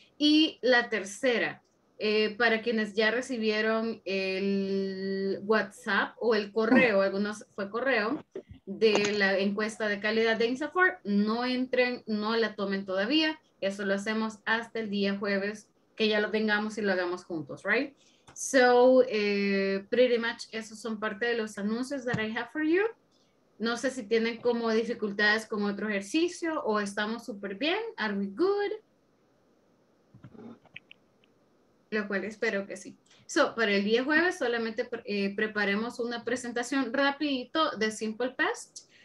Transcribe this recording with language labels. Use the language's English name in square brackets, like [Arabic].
[Spanish] Y la tercera, para quienes ya recibieron el WhatsApp o el correo, algunos fue correo, de la encuesta de calidad de INSAFOR, no entren, no la tomen todavía, eso lo hacemos hasta el día jueves, que ya lo tengamos y lo hagamos juntos, right? [English] So, pretty much, [Spanish] esos son parte de los anuncios [English] that I have for you. [Spanish] No sé si tienen como dificultades con otro ejercicio o estamos súper bien. [English] Are we good? [Spanish] Lo cual espero que sí. So, para el día jueves solamente preparemos una presentación rapidito de Simple Past.